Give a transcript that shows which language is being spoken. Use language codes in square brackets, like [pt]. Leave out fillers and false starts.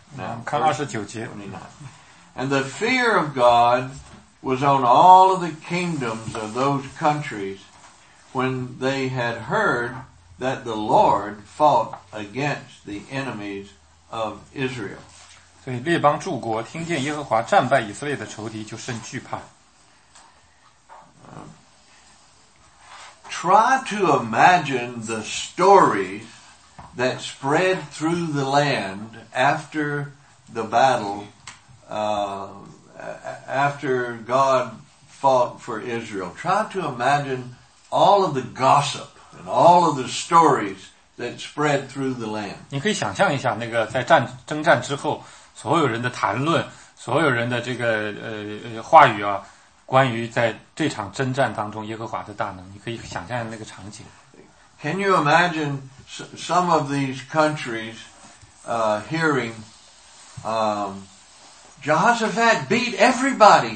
[en] Now, verse 29. And the fear of God was on all of the kingdoms of those countries when they had heard that the Lord fought against the enemies of Israel. [zh] 所以列邦诸国, 听见耶和华战败以色列的仇敌, 就甚惧怕。 [en] Try to imagine the stories that spread through the land after the battle, after God fought for Israel. Try to imagine all of the gossip and all of the stories that spread through the land. [zh] 你可以想象一下那个在战争战之后所有人的谈论所有人的这个话语啊 关于在这场征战当中耶和华的大能，你可以想象那个场景。 [en] Can you imagine some of these countries hearing Jehoshaphat beat everybody.